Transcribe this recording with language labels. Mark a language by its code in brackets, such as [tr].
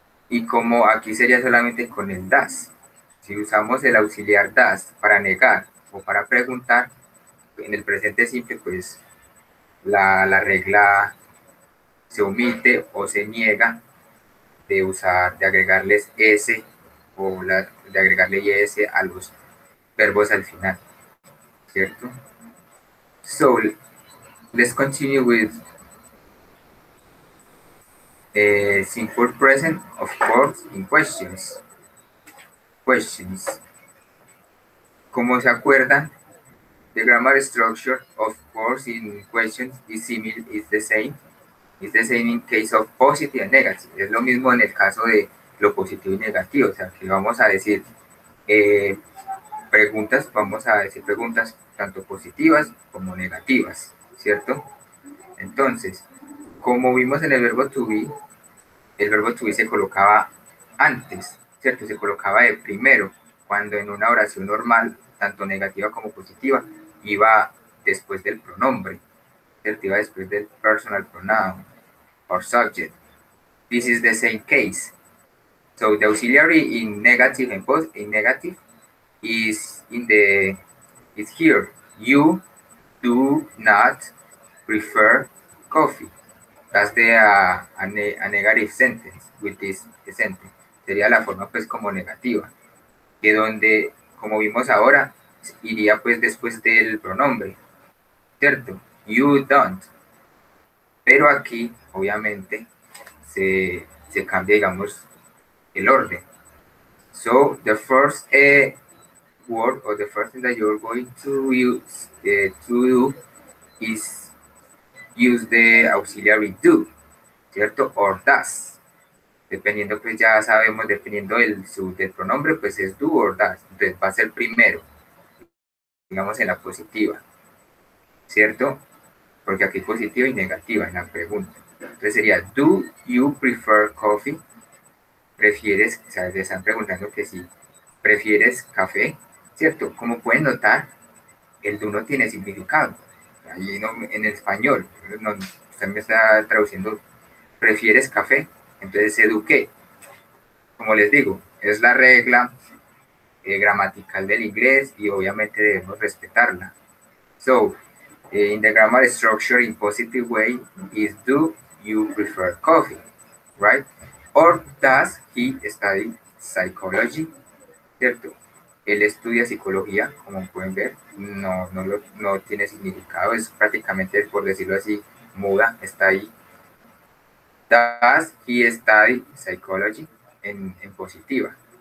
[es] Y como aquí sería solamente con el das, si usamos el auxiliar das para negar o para preguntar, en el presente simple, pues, la regla se omite o se niega de usar, de agregarles S o de agregarle IS a los verbos al final, ¿cierto? [en] So, let's continue with simple present, of course, in questions. Questions. [es] Como se acuerdan, [en] the grammar structure, of course, in questions is similar, is the same. It's the same in case of positive and negative. [es] Es lo mismo en el caso de lo positivo y negativo. O sea, que vamos a decir preguntas, vamos a decir preguntas tanto positivas como negativas, ¿cierto? Entonces, como vimos en el verbo to be se colocaba antes, ¿cierto? Se colocaba de primero, cuando en una oración normal, tanto negativa como positiva, iba después del pronombre, ¿cierto? Iba después del [en] personal pronoun or subject. This is the same case. So the auxiliary in negative and post in negative is in the it's here. You do not prefer coffee. That's the a negative sentence with this sentence. [es] Sería la forma pues como negativa. Que donde, como vimos ahora, iría pues después del pronombre. ¿Cierto? [en] You don't. [es] Pero aquí, obviamente, se cambia, digamos, el orden. [en] So, the first word or the first thing that you're going to use to do is use the auxiliary do, ¿cierto? Or does. [es] Dependiendo, pues ya sabemos, dependiendo del pronombre, pues es do or does. Entonces va a ser primero, digamos, en la positiva, ¿cierto? Porque aquí positiva y negativa en la pregunta. Entonces sería, [en] do you prefer coffee? [es] ¿Prefieres, o sea, le están preguntando que si prefieres café? ¿Cierto? Como pueden notar, el do no tiene significado. Ahí no, en español, no, usted me está traduciendo, ¿prefieres café? Entonces, eduqué. Como les digo, es la regla gramatical del inglés y obviamente debemos respetarla. [en] So, in the grammar structure in positive way is do you prefer coffee, right? Or does he study psychology, ¿cierto? [es] Él estudia psicología, como pueden ver, no tiene significado, es prácticamente, por decirlo así, muda, está ahí. [en] Does he study psychology [es] en positiva?